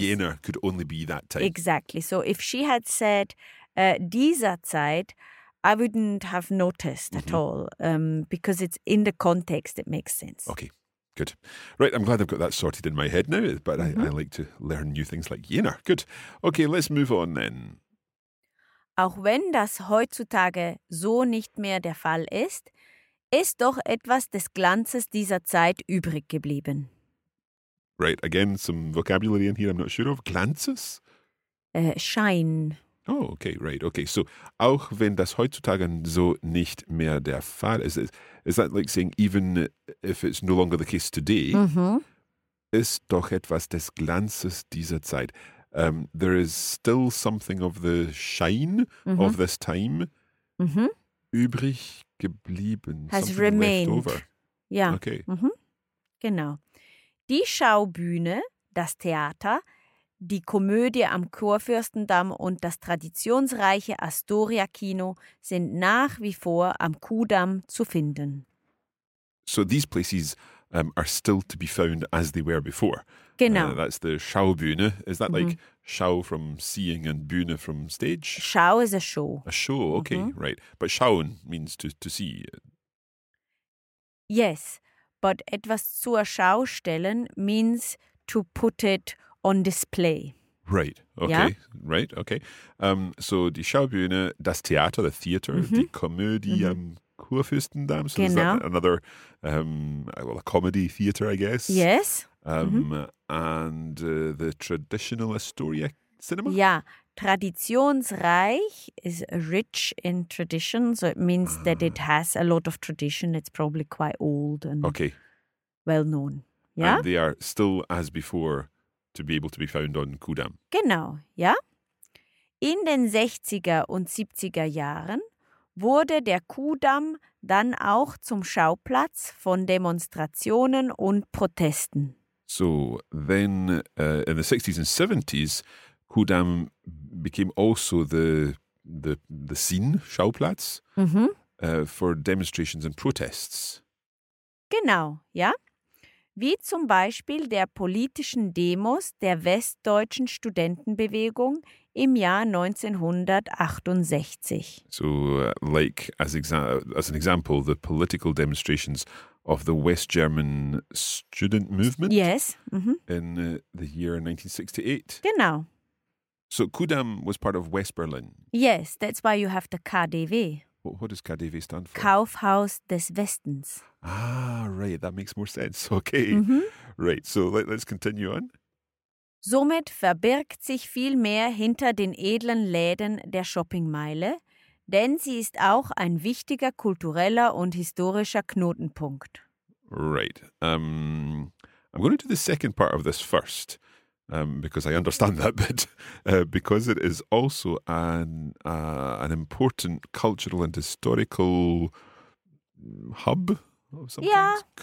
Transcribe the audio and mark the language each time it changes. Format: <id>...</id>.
<en>jener could only be that time. Exactly. So if she had said</en> <de>dieser Zeit,</de> <en>I wouldn't have noticed mm-hmm. at all because it's in the context it makes sense. Okay. Good. Right, I'm glad I've got that sorted in my head now, but mm-hmm. I like to learn new things like jener. Good. Okay, let's move on then.</en> <de>Auch wenn das heutzutage so nicht mehr der Fall ist, ist doch etwas des Glanzes dieser Zeit übrig geblieben.</de> <en>Right, again, some vocabulary in here I'm not sure of. Glanzes?</en> <de>Schein.</de> <en>Oh, okay, right. Okay, so</en> <de>auch wenn das heutzutage so nicht mehr der Fall ist,</de> <en>is that like saying even if it's no longer the case today,</en> <de>ist doch etwas des Glanzes dieser Zeit.</de> <en>There is still something of the shine of this time</en> <de>übrig geblieben.</de> <en>Has something remained. Left over. Yeah. Okay.</en> <de>Genau. Die Schaubühne, das Theater, die Komödie am Kurfürstendamm und das traditionsreiche Astoria-Kino sind nach wie vor am Kuhdamm zu finden.</de> <en>So these places are still to be found as they were before.</en> <de>Genau.</de> <en>That's the Schaubühne. Is that like Schau from seeing and Bühne from stage? Schau is a show. A show, okay, right. But schauen means to see. Yes, but</en> <de>etwas zur Schau stellen</de> <en>means to put it on display. Right, okay, right, okay. So</en> <de>die Schaubühne, das Theater,</de> <en>the theater,</en> <de>die Komödie Kurfürstendamm,</de> <en>so</en> <de>genau.</de> <en>Is that another, a comedy theater, I guess? Yes. And the traditional Astoria cinema? Yeah, traditionsreich is rich in tradition, so it means that it has a lot of tradition. It's probably quite old and well known. Yeah? And they are still as before to be able to be found on Kudamm.</en> <de>Genau, ja. In den 60er und 70er Jahren wurde der Kudamm dann auch zum Schauplatz von Demonstrationen und Protesten.</de> <en>So, then in the 60s and 70s, Kudamm became also the scene, Schauplatz, for demonstrations and protests.</en> <de>Genau, ja. Wie zum Beispiel der politischen Demos der Westdeutschen Studentenbewegung im Jahr 1968.</de> <en>So, like, as an example, the political demonstrations of the West German student movement? Yes. In the year 1968? Genau. So, Kudamm was part of West Berlin? Yes, that's why you have the KDW. What does KDW stand for?</en> <de>Kaufhaus des Westens.</de> <en>Ah, right, that makes more sense. Okay, right, so let's continue on.</en> <de>Somit verbirgt sich viel mehr hinter den edlen Läden der Shoppingmeile, denn sie ist auch ein wichtiger kultureller und historischer Knotenpunkt.</de> <en>Right, I'm going to do the second part of this first. Because I understand that bit, because it is also an important cultural and historical hub of some kind.</en>